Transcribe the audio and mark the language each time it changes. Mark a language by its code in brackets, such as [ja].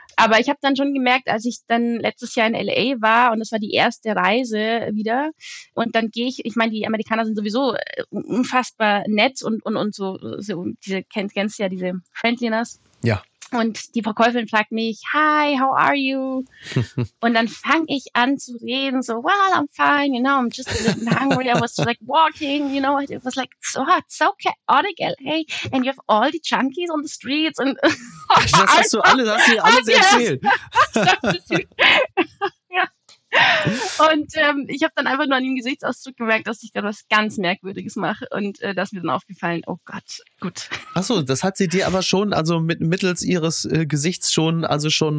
[de] Aber ich habe dann schon gemerkt, als ich dann letztes Jahr in L.A. war und das war die erste Reise wieder und dann gehe ich, ich meine, die Amerikaner sind sowieso unfassbar nett und so diese, kennst du ja diese Friendliness. Ja. Und die Verkäuferin fragt mich, [en] hi, how are you? [de] Und dann fange ich an zu reden, so, [en] well, I'm fine, you know, I'm just a little hungry, I was just like walking, you know, it was like, so hot, so chaotic, L.A., and you have all the junkies on the streets. And [de] das hast du alles erzählt. [en] Yes. [de] Und ich habe dann einfach nur an dem Gesichtsausdruck gemerkt, dass ich gerade was ganz Merkwürdiges mache und da ist mir dann aufgefallen, oh Gott, gut. Achso, das hat sie dir aber schon, also mittels ihres Gesichts schon, also schon...